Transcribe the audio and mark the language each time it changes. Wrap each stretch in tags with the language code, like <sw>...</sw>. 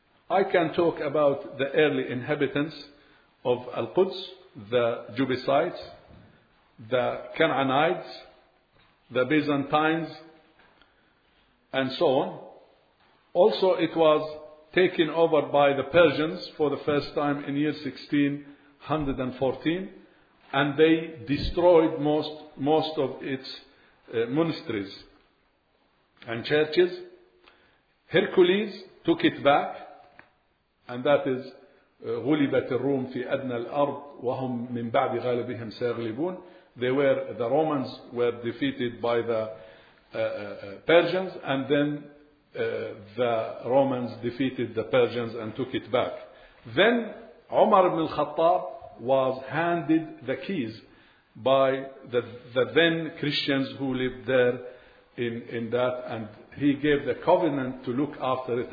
<en>I can talk about the early inhabitants of Al-Quds, the Jebusites, the Canaanites, the Byzantines, and so on. Also, it was taken over by the Persians for the first time in year 1614, and they destroyed most of its monasteries and churches. Hercules took it back, and that is</en> <ar>غُلِبَتِ الرُّومِ فِي أَدْنَى الْأَرْضِ وَهُمْ مِنْ بَعْدِ غَالِبِهِمْ سَيَغْلِبُونَ.</ar> <en>They were, the Romans were defeated by the Persians, and then the Romans defeated the Persians and took it back. Then Umar ibn al-Khattab was handed the keys by the then Christians who lived there in that, and he gave the covenant to look after it.</en>